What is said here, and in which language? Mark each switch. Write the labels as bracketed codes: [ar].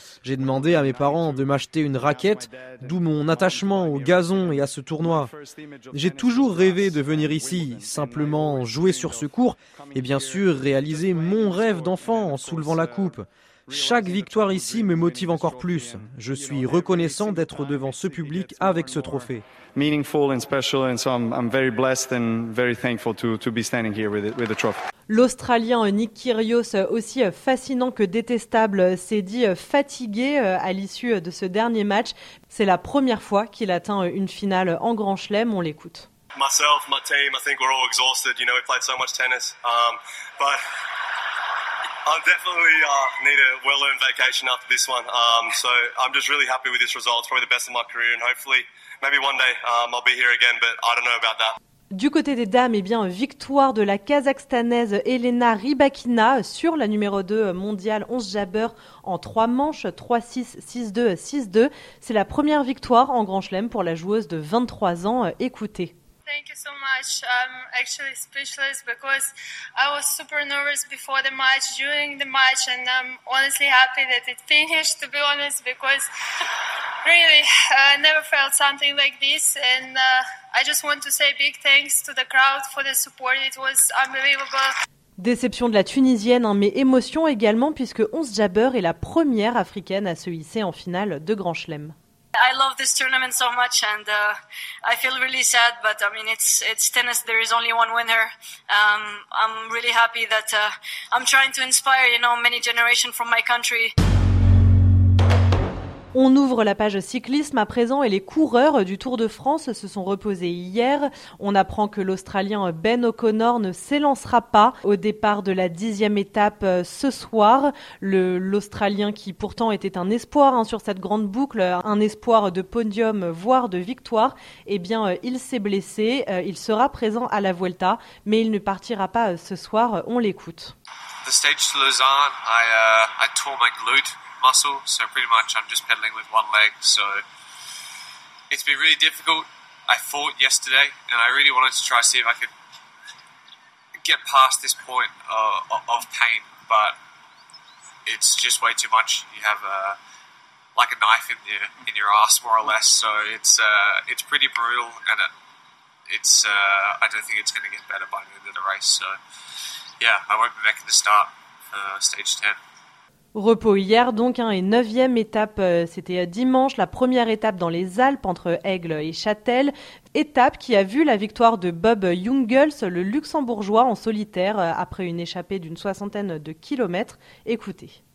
[fr] J'ai demandé à mes parents de m'acheter une raquette, d'où mon attachement au gazon et à ce tournoi. J'ai toujours rêvé de venir ici, simplement jouer sur ce court et bien sûr réaliser mon rêve d'enfant en soulevant la coupe. Chaque victoire ici me motive encore plus. Je suis reconnaissant d'être devant ce public avec ce trophée. [en] Meaningful and special, and so I'm very blessed and very thankful to be standing here with the trophy. [fr] L'Australien Nick Kyrgios, aussi fascinant que détestable, s'est dit fatigué à l'issue de ce dernier match. C'est la première fois qu'il atteint une finale en Grand Chelem. On l'écoute. [en] Myself, my team, I think we're all exhausted. You know, we played so much tennis, but I definitely need a well-earned vacation after this one. So I'm just really happy with this result. It's probably the best of my career, and hopefully, maybe one day I'll be here again. But I don't know about that. [fr] Du côté des dames, eh bien, victoire de la Kazakhstanaise Elena Rybakina sur la numéro 2 mondiale Ons Jabeur en 3 manches, 3-6, 6-2, 6-2. C'est la première victoire en Grand Chelem pour la joueuse de 23 ans. Écoutez. [en] Thank you so much. I'm actually speechless because I was super nervous before the match, during the match, and I'm honestly happy that it finished, to be honest, because really, I never felt something like this, and I just want to say big thanks to the crowd for the support. It was unbelievable. [fr] Déception de la Tunisienne, hein, mais émotion également, puisque Ons Jabeur est la première africaine à se hisser en finale de Grand Chelem. [en] I love this tournament so much, and I feel really sad, but I mean, it's tennis, there is only one winner. I'm really happy that I'm trying to inspire, you know, many generations from my country. [fr] On ouvre la page cyclisme à présent et les coureurs du Tour de France se sont reposés hier. On apprend que l'Australien Ben O'Connor ne s'élancera pas au départ de la 10e étape ce soir. L'Australien qui pourtant était un espoir sur cette grande boucle, un espoir de podium voire de victoire, eh bien il s'est blessé. Il sera présent à la Vuelta mais il ne partira pas ce soir. On l'écoute. [en] The stage to Lausanne, I tore my glute muscle, so pretty much I'm just pedaling with one leg, so it's been really difficult. I fought yesterday and I really wanted to try to see if I could get past this point of pain, but it's just way too much. You have like a knife in your ass, more or less, so it's pretty brutal, and I don't think it's going to get better by the end of the race, so yeah, I won't be making the start for stage 10. [fr] Repos hier donc, et 9e étape, c'était dimanche, la première étape dans les Alpes entre Aigle et Châtel. Étape qui a vu la victoire de Bob Jungels, le Luxembourgeois, en solitaire après une échappée d'une soixantaine de kilomètres. Écoutez.